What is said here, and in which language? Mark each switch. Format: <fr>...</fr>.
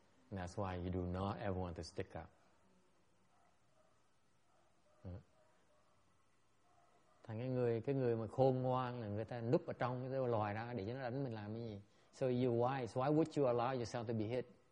<en>And that's why you do not ever want to stick out.</en> <vi>Thành cái người mà khôn ngoan là người ta núp ở trong cái loài ra để cho nó đánh mình làm cái gì.</vi> <en>So you're wise, why would you allow yourself to be hit?</en>